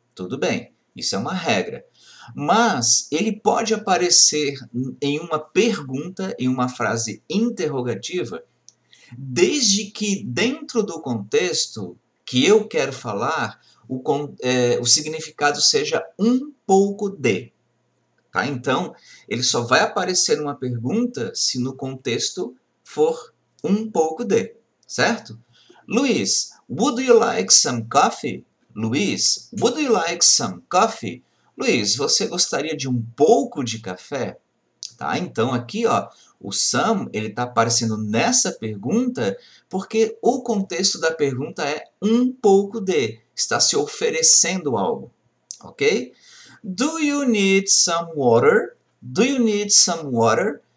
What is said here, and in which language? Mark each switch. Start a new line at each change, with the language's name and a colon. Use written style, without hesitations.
Portuguese: Tudo bem, isso é uma regra. Mas ele pode aparecer em uma pergunta, em uma frase interrogativa, desde que dentro do contexto que eu quero falar, o significado seja um pouco de. Tá? Então, ele só vai aparecer numa pergunta se no contexto for um pouco de, certo?
English: Luiz, would you like some coffee? Luiz, would you like some coffee?
Portuguese: Luiz, você gostaria de um pouco de café? Tá? Então aqui, ó, o some, ele tá aparecendo nessa pergunta porque o contexto da pergunta é um pouco de, está se oferecendo algo, ok?
English: Do you need some water? Do you need some water?